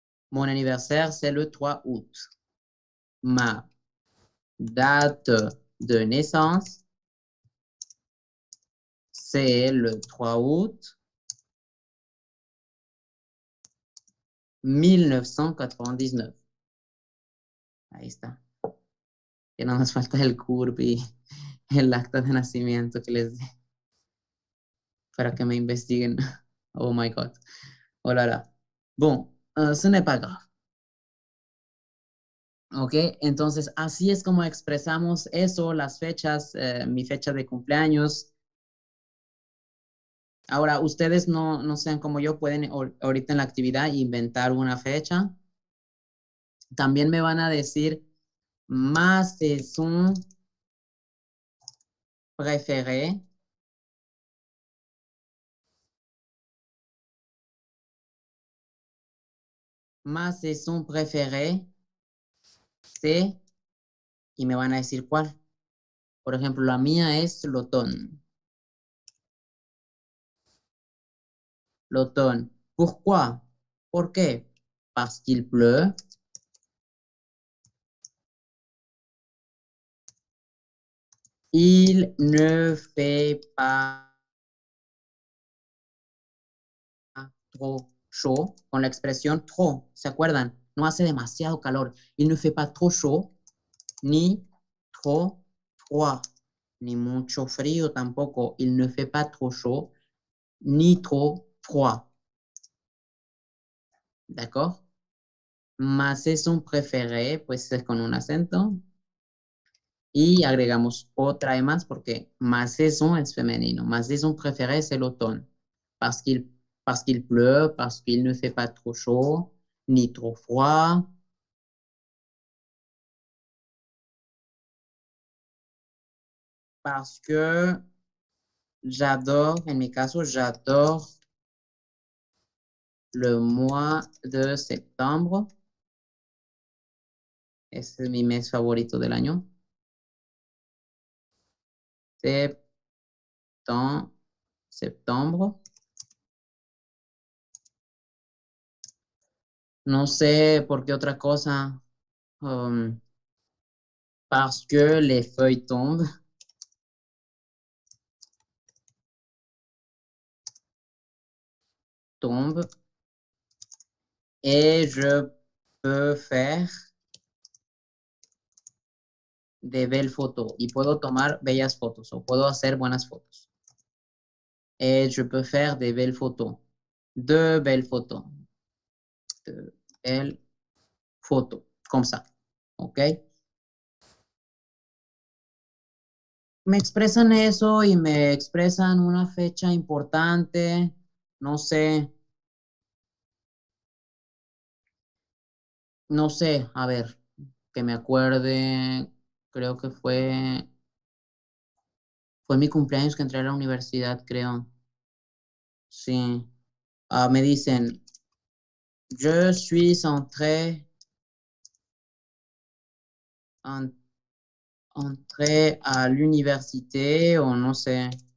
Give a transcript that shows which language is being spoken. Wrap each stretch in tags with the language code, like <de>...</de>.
<fr>Mon anniversaire, c'est le 3 août. Ma date de naissance, c'est le 3 août 1999.</fr> <es>Ahí está. Que nada más falta el CURP. El acta de nacimiento que les dé para que me investiguen.</es> <en>Oh my God.</en> <es>Hola, hola.</es> <fr>Bon, ce n'est pas grave.</fr> <es>Ok, entonces así es como expresamos eso, las fechas, mi fecha de cumpleaños. Ahora, ustedes no sean como yo, pueden ahorita en la actividad inventar una fecha. También me van a decir más es un.</es> <fr>Préféré. Ma saison préférée, c'est.</fr> <es>Y me van a decir cuál. Por ejemplo, la mía es l'automne.</es> <fr>L'automne. Pourquoi?</fr> <es>¿Por qué?</es> <fr>Parce qu'il pleut. Il ne fait pas trop chaud,</fr> <es>con la expresión trop, ¿se acuerdan? No hace demasiado calor.</es> <fr>Il ne fait pas trop chaud, ni trop froid,</fr> <es>ni mucho frío tampoco.</es> <fr>Il ne fait pas trop chaud, ni trop froid. ¿D'accord? Ma saison préférée,</fr> <es>pues es con un acento. Y agregamos otra vez más porque ma saison es femenino.</es> <fr>Ma saison préférée</fr> <es>es el otoño.</es> <fr>Parce qu'il pleut, parce qu'il ne fait pas trop chaud, ni trop froid. Parce que j'adore,</fr> <es>en mi caso,</es> <fr>j'adore le mois de septembre.</fr> <es>Ese es mi mes favorito del año. Septiembre. No sé por qué otra cosa.</es> <fr>Parce que les feuilles tombent. Tombe. Et je peux faire de belle photo</fr> <es>y puedo tomar bellas fotos o puedo hacer buenas fotos.</es> <fr>Et je peux faire de belle photo. De belle photo. De belle</fr> <es>foto, como sea, ¿ok? Me expresan eso y me expresan una fecha importante, no sé. No sé, a ver, que me acuerde, creo que fue mi cumpleaños que entré a la universidad, creo. Sí. Me dicen,</es> <fr>je suis entré a l'université,</fr> <es>o no sé.</es>